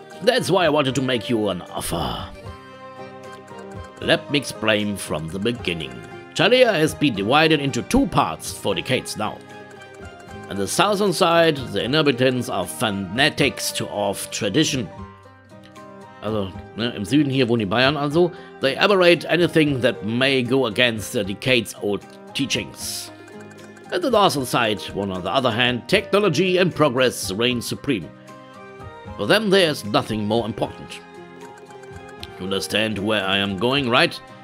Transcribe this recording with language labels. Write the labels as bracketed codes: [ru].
[en] That's why I wanted to make you an offer. Let me explain from the beginning. Talea has been divided into two parts for decades now. On the southern side, the inhabitants are fanatics of tradition. [de] Also, ne, im Süden hier wohnen die Bayern also. [en] They aberrate anything that may go against the decades-old teachings. At the northern side, one on the other hand, technology and progress reign supreme. For them, there's nothing more important. You understand where I am going, right?